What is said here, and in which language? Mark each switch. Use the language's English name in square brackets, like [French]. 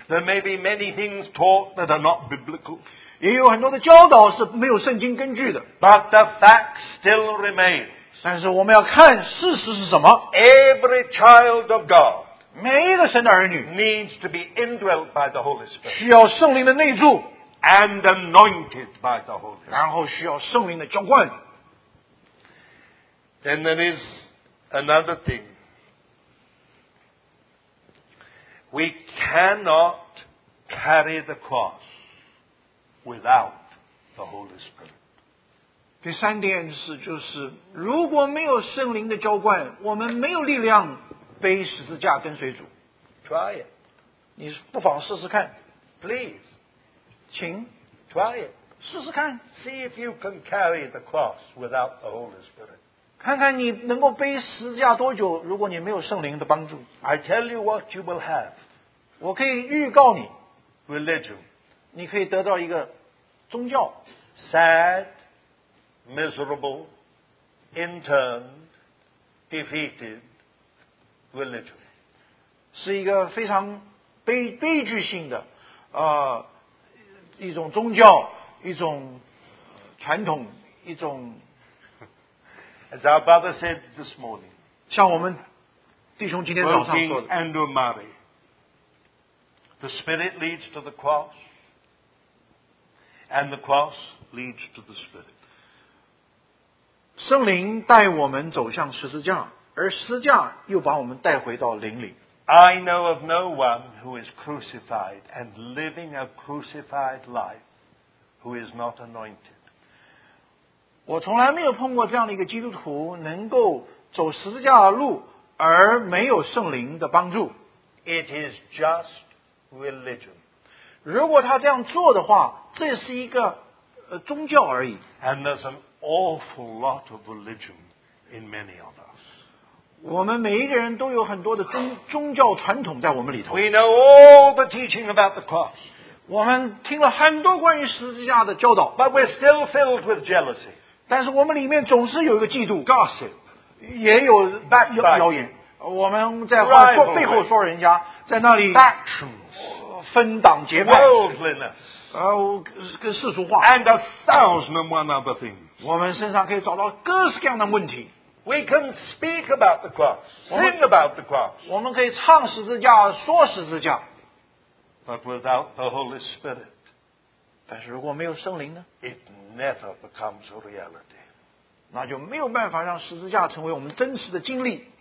[English] There may be many things taught that are not biblical. [Chinese] 也有很多的教导是没有圣经根据的 [English] But the facts still remain. [Chinese] 但是我们要看事实是什么 [English] Every child of God [Chinese] 每一个神的儿女 [English] needs to be indwelt by the Holy Spirit. [Chinese] 需要圣灵的内住 [English] and anointed by the Holy Spirit. [Chinese] 然后需要圣灵的浇灌。 [English] Then there is another thing. We cannot carry the cross without the Holy Spirit. [Chinese] 第三点是，就是如果没有圣灵的浇灌，我们没有力量背十字架跟随主。 [English] Try it. [Chinese] 你不妨试试看。 [English] Please. [Chinese] 请。 [English] Try it. [Chinese] 试试看。 [English] See if you can carry the cross without the Holy Spirit. [Chinese] 看看你能够背十字架多久，如果你没有圣灵的帮助。 [English] I tell you what you will have. [Chinese] 我可以预告你。 [English] Religion. [Chinese] 你可以得到一个宗教。 [English] Sad, miserable, interned, defeated,Religion. [Chinese] 是一个非常 悲剧性的、一种宗教，一种传统，一种 [English] As our brother said this morning, [Chinese] 像我们弟兄今天早上说的 [English] Andrew Murray, The Spirit leads to the cross and the cross leads to the Spirit. [Chinese] 圣灵带我们走向十字架，而十字架又把我们带回到灵里。 [English] I know of no one who is crucified and living a crucified life who is not anointed. [Chinese] 我从来没有碰过这样的一个基督徒能够走十字架的路而没有圣灵的帮助。 [English] It is just religion. [Chinese] 如果他这样做的话，这是一个宗教而已。 [English] And there's an awful lot of religion in many of us. [Chinese] 我们每一个人都有很多的 宗教传统在我们里头。 [English] We know all the teaching about the cross. [Chinese] 我们听了很多关于十字架的教导。 [English] But we're still filled with jealousy. [Chinese] 但是我们里面总是有一个嫉妒。 [English] Gossip. [Chinese] 也有 谣言。我们在话说背后说人家在那里。 [English] Factions. [Chinese] 分党结派。 [English] Worldliness. [Chinese] 跟世俗化。 [English] And a thousand and one other things. [Chinese] 我们身上可以找到各式各样的问题。 [English] We can speak about the cross, sing about the cross. [Chinese] 我们可以唱十字架，说十字架。 [English] But without the Holy Spirit, [Chinese] 但是如果没有圣灵呢？ [English] It never becomes a reality. [Chinese] 那就没有办法让十字架成为我们真实的经历。